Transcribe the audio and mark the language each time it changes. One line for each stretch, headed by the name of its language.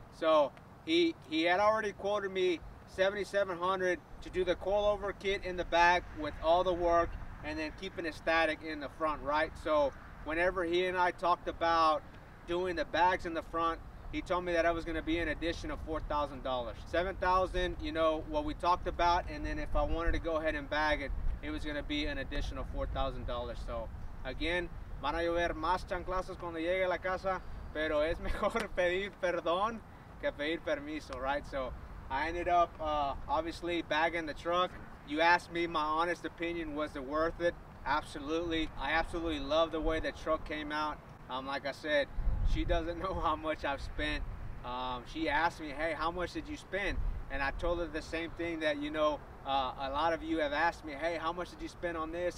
English: So he had already quoted me $7,700 to do the coilover kit in the back with all the work and then keeping it static in the front, right? So whenever he and I talked about doing the bags in the front, he told me that it was gonna be an addition of $4,000. $7,000, you know, what we talked about, and then if I wanted to go ahead and bag it, it was gonna be an additional $4,000. So again,
Spanish: van a llover más chanclazos cuando llegue a la casa, pero es mejor pedir perdón que pedir permiso,
English: right? So I ended up obviously bagging the truck. You asked me my honest opinion, was it worth it? Absolutely. I absolutely love the way the truck came out. Like I said, she doesn't know how much I've spent. She asked me, hey, how much did you spend? And I told her the same thing that, you know, a lot of you have asked me, hey, how much did you spend on this?